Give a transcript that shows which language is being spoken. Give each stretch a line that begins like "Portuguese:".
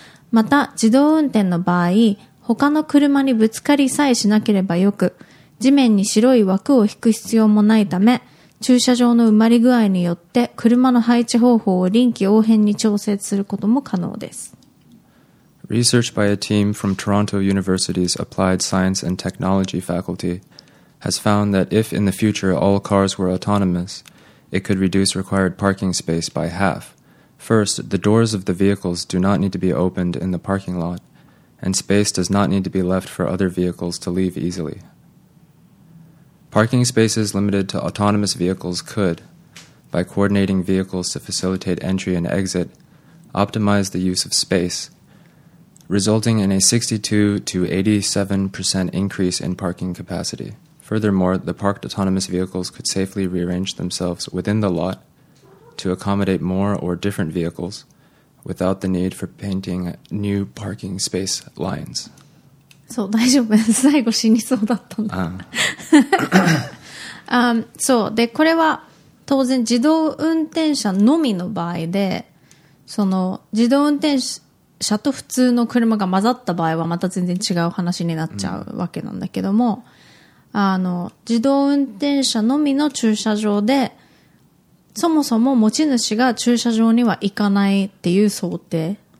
Japanese: また、自動運転の場合、他の車にぶつかりさえしなければよく、地面に白い枠を引く必要もないため、駐車場の埋まり具合によって車の配置方法を臨機応変に調節することも可能です。
English: Research by a team from Toronto University's Applied Science and Technology Faculty has found that if in the future all cars were autonomous, it could reduce required parking space by half. First, the doors of the vehicles do not need to be opened in the parking lot, and space does not need to be left for other vehicles to leave easily. Parking spaces limited to autonomous vehicles could, by coordinating vehicles to facilitate entry and exit, optimize the use of space,resulting in a 62 to 87% increase in parking capacity. Furthermore, the parked autonomous vehicles could safely rearrange themselves within the lot to accommodate more or different vehicles without the need for painting new parking space lines.
Japanese: そう、大丈夫です。最後死にそうだったんだ。そう、で、これは当然自動運転車のみの場合で、その自動運転車と普通の車が混ざった場合はまた全然違う話になっちゃうわけなんだけども、うん、自動運転車のみの駐車場で、そもそも持ち主が駐車場には行かないっていう想定、